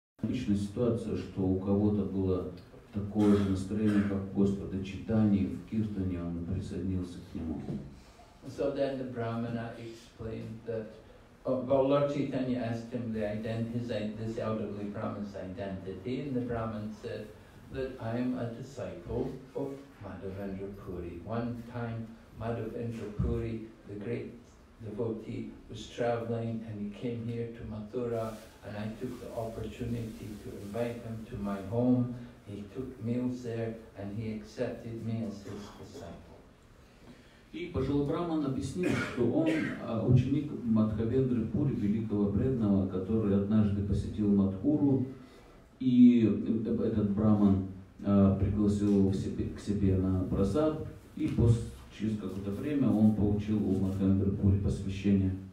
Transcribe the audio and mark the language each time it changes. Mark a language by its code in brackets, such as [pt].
[ru] ситуация, что у кого-то было такое же настроение, как Господа Чайтанья в киртане, он присоединился к нему. [en] So then the brahmana explained that, well, Lord Chaitanya asked him the this elderly brahmin's identity, and the brahmin said that I am a disciple of Madhavendra Puri. One time, Madhavendra Puri, the great devotee, was traveling, and he came here to Mathura. And I took the opportunity to invite him to my home. He took meals there, and he accepted me as his disciple. [ru] И пожилой браман объяснил, что он ученик Мадхавендры Пури, великого преданного, который однажды посетил Матхуру, и этот браман пригласил его к себе на просад, и через какое-то время он получил у Мадхавендры Пури посвящение.